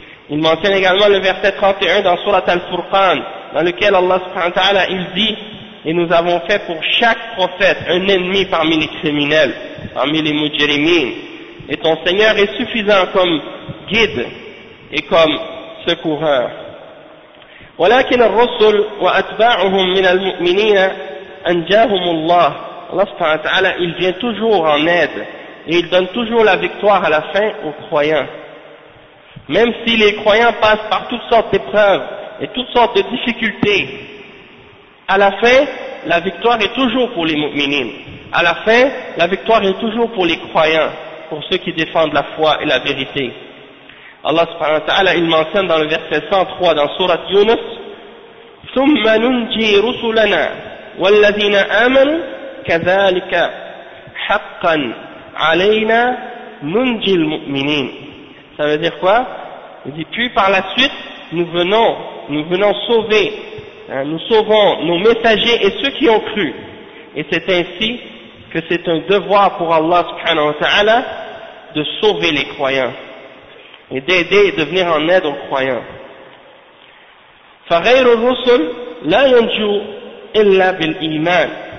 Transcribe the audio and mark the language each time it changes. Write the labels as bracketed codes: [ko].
[fr] Il mentionne également le verset 31 dans Surat al-Furqan, dans lequel Allah subhanahu wa ta'ala, il dit: et nous avons fait pour chaque prophète un ennemi parmi les criminels, parmi les mujrimin. Et ton Seigneur est suffisant comme guide et comme secoureur. [ar] ولكن الرسل وأتباعهم من المؤمنين أنجاهم الله. [fr] Allah subhanahu wa ta'ala, il vient toujours en aide et il donne toujours la victoire à la fin aux croyants. Même si les croyants passent par toutes sortes d'épreuves et toutes sortes de difficultés, à la fin, la victoire est toujours pour les mu'minines. À la fin, la victoire est toujours pour les croyants, pour ceux qui défendent la foi et la vérité. Allah subhanahu wa ta'ala, il mentionne dans le verset 103 dans Surat Yunus: [ar] ثم ننجي رسلنا والذين آمنوا كذلك حقا علينا ننجي المؤمنين. [fr] Ça veut dire quoi? Il dit: puis par la suite, nous venons sauver, nous sauvons nos messagers et ceux qui ont cru. Et c'est ainsi que c'est un devoir pour Allah subhanahu wa ta'ala de sauver les croyants et d'aider et de venir en aide aux croyants. [ar] فغير الرسل لا ينجو إلا بالإيمان.